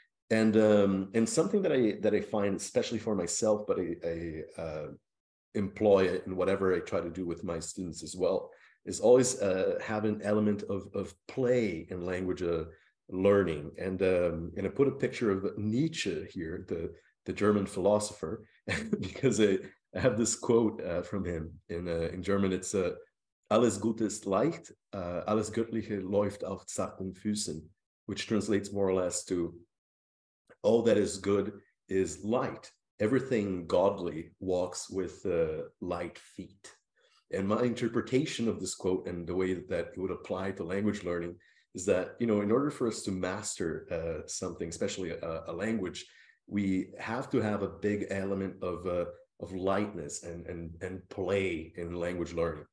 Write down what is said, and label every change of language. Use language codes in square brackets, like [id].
[en] And something that I find, especially for myself, but I employ it in whatever I try to do with my students as well, is always have an element of play in language learning. And I put a picture of Nietzsche here, the German philosopher, because I have this quote from him in German. It's [de] alles Gute ist leicht, alles Göttliche läuft auf zarten Füßen, [en] which translates more or less to all that is good is light. Everything godly walks with light feet. And my interpretation of this quote and the way that it would apply to language learning is that, you know, in order for us to master something, especially a language, we have to have a big element of lightness and play in language learning.